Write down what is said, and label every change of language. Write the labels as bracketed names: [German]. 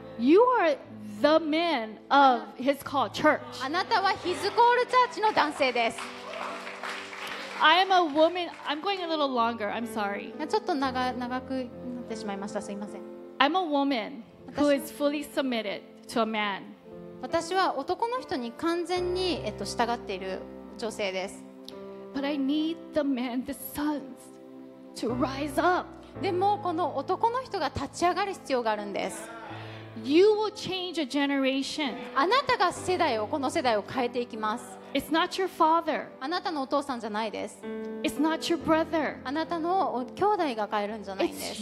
[English] You are the men of His call, church. [Japanese] あなたはHis call churchの男性です。 [English] I am a woman. I'm going a little longer. I'm sorry. [Japanese] ちょっと長くなってしまいました。すいません。 [English] I'm a woman who is fully submitted to a man. [Japanese] 私は男の人に完全に従っている女性です。 [English] But I need the men, the sons, to rise up. [Japanese] でもこの男の人が立ち上がる必要があるんです。 [English] You will change a generation. [Japanese] あなたが世代をこの世代を変えていきます。 [English] It's not your father. [Japanese] あなたのお父さんじゃないです。 [English] It's not your brother. [Japanese] あなたの兄弟が変えるんじゃないです。